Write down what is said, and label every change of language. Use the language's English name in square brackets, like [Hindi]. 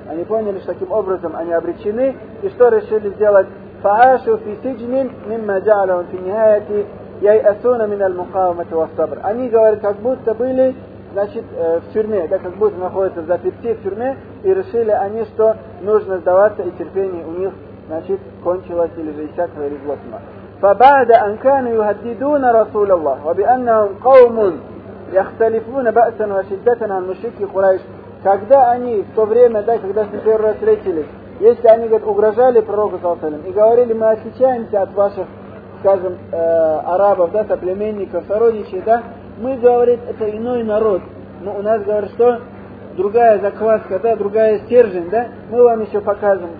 [Russian] Они поняли, что таким образом они обречены, и что решили сделать? [Arabic] فعاشوا في سجن مما جعلهم في النهاية ييأسون من المقاومة والصبر. [Russian] Они говорят, как будто были, значит, в тюрьме, да, как будто находятся в заперти в тюрьме, и решили они, что нужно сдаваться, и терпение у них, значит, кончилось или же иссякло, или злостно. [Arabic] فبعد أن كانوا يهددون رسول الله وبأنهم قوم يختلفون بأسا وشدة عن مشركي قريش. [Russian] Когда они в то время, да, когда с ним первый раз встретились, если они, говорят, угрожали пророку саллям и говорили, мы отличаемся от ваших, скажем, арабов, да, соплеменников, сородичей, да, мы, говорит, это иной народ. Но у нас, говорят, что другая закваска, да, другая стержень, да, мы вам еще покажем.